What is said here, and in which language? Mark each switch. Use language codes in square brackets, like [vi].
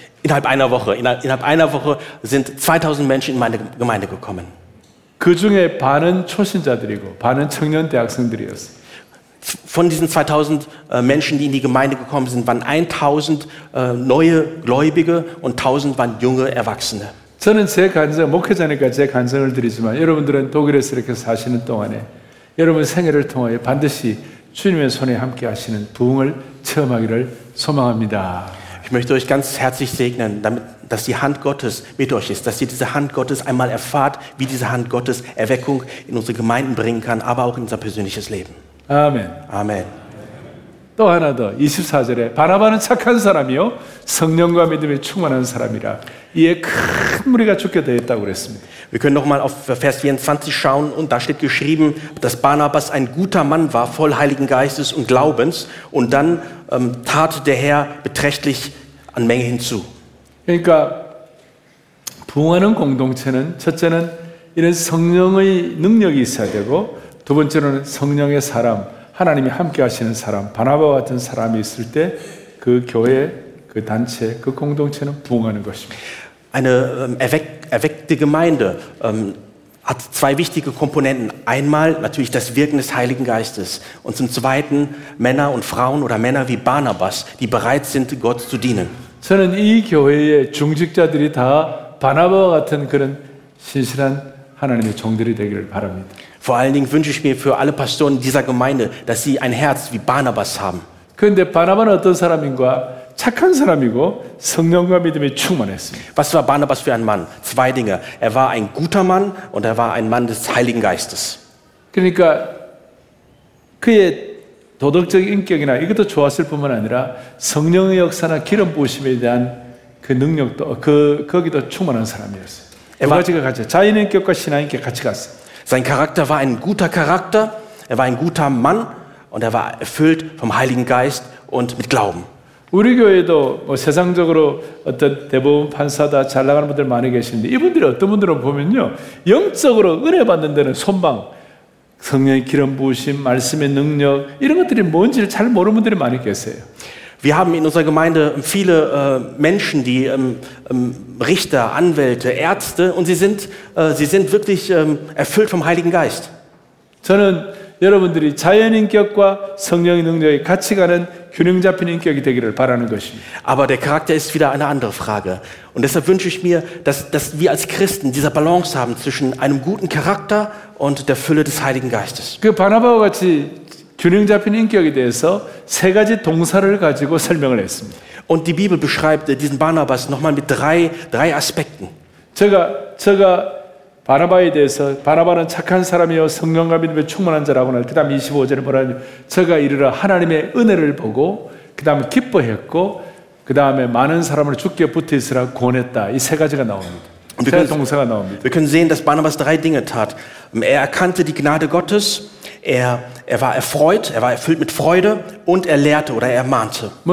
[de] Innerhalb einer Woche sind 2,000 Menschen in meine Gemeinde gekommen. [ko] 그 중에 반은 초신자들이고 반은 청년 대학생들이었어요. [de] Von diesen 2000 Menschen, die in die Gemeinde gekommen sind, waren 1000 neue Gläubige und 1000 waren junge Erwachsene. [ko] 저는 제 간증, 목회자니까 제 간증을 드리지만 여러분들은 독일에서 이렇게 사시는 동안에 여러분 생애를 통하여 반드시 주님의 손에 함께 하시는 부흥을 체험하기를 소망합니다. [de] Ich möchte euch ganz herzlich segnen, damit dass die Hand Gottes mit euch ist, dass ihr diese Hand Gottes einmal erfahrt, wie diese Hand Gottes Erweckung in unsere Gemeinden bringen kann, aber auch in unser persönliches Leben. Amen. Amen. [ko] 또 하나 더 24절에 바나바는 착한 사람이요 성령과 믿음에 충만한 사람이라 이에 큰 무리가 죽게 되었다고 그랬습니다. [de] Wir können noch mal auf Vers 24 schauen und da steht geschrieben, dass Barnabas ein guter Mann war, voll Heiligen Geistes und Glaubens und dann tat der Herr beträchtlich an Menge hinzu. [ko] 그러니까 부흥하는 공동체는 첫째는 이런 성령의 능력이 있어야 되고 두 번째로는 성령의 사람 하나님이 함께 하시는 사람, 바나바 같은 사람이 있을 때 그 교회, 그 단체, 그 공동체는 부흥하는 것입니다. [de] Eine erweckte Gemeinde hat zwei wichtige Komponenten. Einmal natürlich das Wirken des Heiligen Geistes und zum Zweiten Männer und Frauen oder Männer wie Barnabas, die bereit sind, Gott zu dienen. [ko] 저는 이 교회의 중직자들이 다 바나바와 같은 그런 신실한 하나님의 종들이 되기를 바랍니다. [de] Vor allen Dingen wünsche ich mir für alle Pastoren dieser Gemeinde, dass sie ein Herz wie Barnabas haben. [ko] 그런데 바나바는 어떤 사람인가? 착한 사람이고 성령과 믿음이 충만했습니다. [de] Was war Barnabas für ein Mann? Zwei Dinge. Er war ein guter Mann und er war ein Mann des Heiligen Geistes. [ko] 그러니까 그의 도덕적 인격이나 이것도 좋았을 뿐만 아니라 성령의 역사나 기름 부으심에 대한 그 능력도 거기도 충만한 사람이었어요. 두 가지가 같이 자인 인격과 신앙 인격 같이 갔어요. [de] Sein Charakter war ein guter Charakter, er war ein guter Mann und er war erfüllt vom Heiligen Geist und mit Glauben. [ko] 우리 교회도 뭐 세상적으로 어떤 대법원 판사다 잘 나가는 분들 많이 계시는데 이분들이 어떤 분들을 보면요. 영적으로 은혜 받는 데는 손방, 성령의 기름 부으심, 말씀의 능력 이런 것들이 뭔지를 잘 모르는 분들이 많이 계세요. [de] Wir haben in unserer Gemeinde viele Menschen, die Richter, Anwälte, Ärzte und sie sind wirklich erfüllt vom Heiligen Geist. [ko] 저는 여러분들이 자연 인격과 성령의 능력이 같이 가는 균형 잡힌 인격이 되기를 바라는 것입니다. [de] Aber der Charakter ist wieder eine andere Frage und deshalb wünsche ich mir, dass wir als Christen diese Balance haben zwischen einem guten Charakter und der Fülle des Heiligen Geistes. [ko] 그 바나바와 같이 균형 잡힌 인격에 대해서 세 가지 동사를 가지고 설명을 했습니다. [de] Und die Bibel beschreibt diesen Barnabas nochmal mit drei Aspekten. [ko] 제가 바나바에 대해서 바나바는 착한 사람이요 성령과 믿음에 충만한 자라고 말. 그다음 25절에 뭐라 하냐면 제가 이르러 하나님의 은혜를 보고 그다음에 기뻐했고 그다음에 많은 사람을 주께 붙이시라 권했다. 이 세 가지가 나옵니다. [de] Wir können sehen, dass Barnabas drei Dinge tat. Er erkannte die Gnade Gottes, er war erfreut, er war erfüllt mit Freude und er lehrte oder er ermahnte.